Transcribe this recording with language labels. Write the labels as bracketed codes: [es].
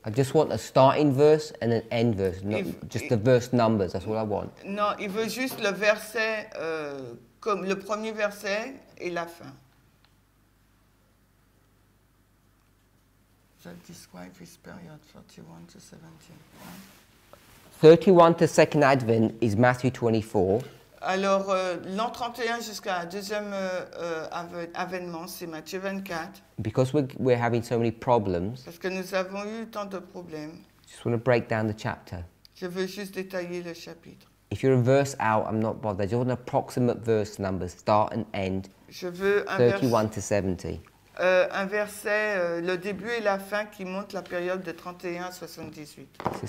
[en] I just want a starting verse and an end verse, the verse numbers. That's all I want. [fr] Non, il veut juste le verset, comme le premier verset et la fin. [en] That describes his period 31 to 17. 31 to second advent is Matthew 24. [fr] Alors, l'an 31 jusqu'à deuxième avènement, c'est Matthieu 24. [en] Because we're having so many problems. [fr] Parce que nous avons eu tant de problèmes. [en] Just want to break down the chapter. [fr] Je veux juste détailler le chapitre. [en] If you're a verse out, I'm not bothered. Just want an approximate verse number, start and end. [fr] Je veux un [en] 31 to 70. [fr] Un verset, le début et la fin qui montre la période de 31 à 78.